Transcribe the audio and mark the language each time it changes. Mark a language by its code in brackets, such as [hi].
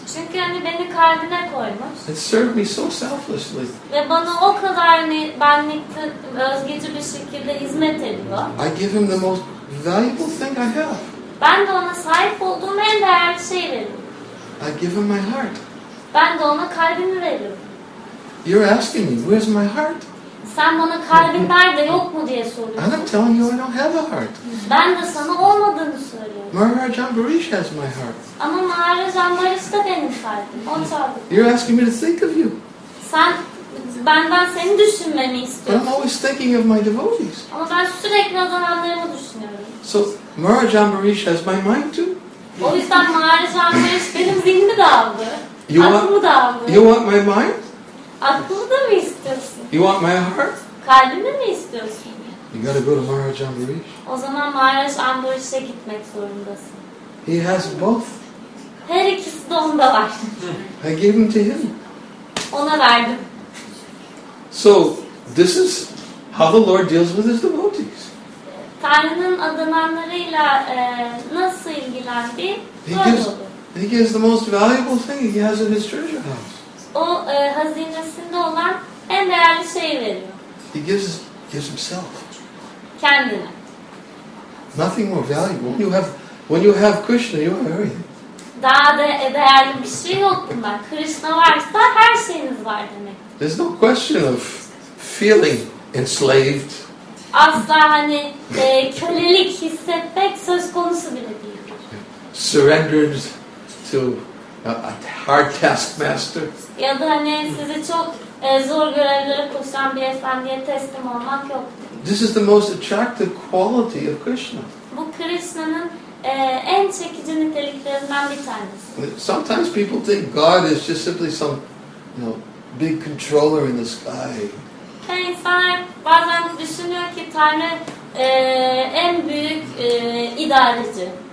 [tr] Çünkü hani beni kalbine koymuş. [en] And served me so selflessly. [tr] Ve bana o kadar benlik özgeci bir şekilde hizmet ediyor. [en] I give him the most valuable thing I have. [tr] Ben de ona sahip olduğum en değerli şeyi veririm. [en] I give him my heart. [tr] Ben de ona kalbimi veririm. [en] You're asking me, where's my heart? [tr] Sen bana kalbin nerede yok mu diye soruyorsun. [en] I'm telling you I don't have a heart. [tr] Ben de sana olmadığını söylüyorum. [en] Maharaj Ambarish has my heart. [tr] Ama Maharaj Ambarish da benim kalbim. O çaldı. [en] You're asking me to think of you. [tr] Sen benden seni düşünmemi istiyorsun. [en] But I'm always thinking of my devotees. [tr] Ama ben sürekli adananlarımı düşünüyorum. [en] So Maharaj Ambarish has my mind too. [tr] O yüzden Maharaj Ambarish benim zihnimi de aldı. Aklımı da aldı. [en] You want my mind? [tr] Aklımı da mı istiyorsun? [en] You want my heart? [tr] Kalbimi mi istiyorsun? [en] You gotta go to Maharaj Ambarish. [tr] O zaman Maharaj Ambarish'e gitmek zorundasın. [en] He has both. [tr] Her ikisi de onda var. [en] I gave them to him. [tr] Ona verdim. [en] So this is how the Lord deals with his devotees. [tr] Tanrı'nın adananlarıyla nasıl ilgilendiği böyle olur. [en] He gives the most valuable thing he has in his treasure house. [tr] O hazinesinde olan en değerli şeyi veriyor. [en] He gives himself. [tr] Kendine. [en] Nothing more valuable. When you have Krishna, you have everything. [tr] Daha da değerli bir şey yok bunda. Krishna varsa her şeyiniz var demek. [en] There's no question of feeling enslaved. [tr] Asla hani kölelik hissetmek söz konusu bile değil. [en] Surrendered to a hard taskmaster. [tr] Ya da hani sizi çok zor görevlere koşan bir efendiye teslim olmak yok. [en] This is the most attractive quality of Krishna. [tr] Bu Krishna'nın en çekici niteliklerinden bir tanesi. [en] Sometimes people think God is just simply some, you know, big controller in the sky. [tr] Hey, insanlar bazen düşünüyor ki Tanrı en büyük idareci.